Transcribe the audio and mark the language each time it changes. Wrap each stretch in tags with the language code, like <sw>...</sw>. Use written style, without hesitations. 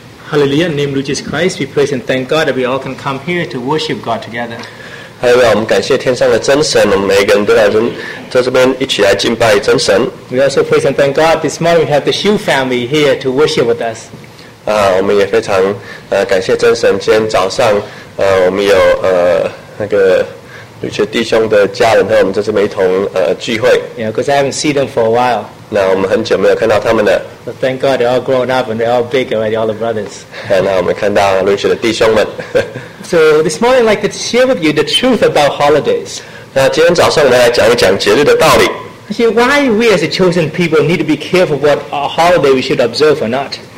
<en>Hallelujah, in the name of Jesus Christ, we praise and thank God that we all can come here to worship God together. We also praise and thank God this morning we have the Shu family here to worship with us.</en> <zh>我们也非常感谢真神今天早上我们有那个有些弟兄的家人和我们在这边一同聚会。</zh> <en>Yeah, because I haven't seen them for a while.</en> <zh>那我们很久没有看到他们了。</zh> <en>Thank God they're all grown up and they're all big already, all the brothers.</en> <zh>那我们看到陆续的弟兄们。</zh> <en>So this morning I'd like to share with you the truth about holidays.</en> <zh>那今天早上我们来讲一讲节日的道理。</zh> <en>Actually, why we as a chosen people need to be careful what holiday we should observe or not?</en>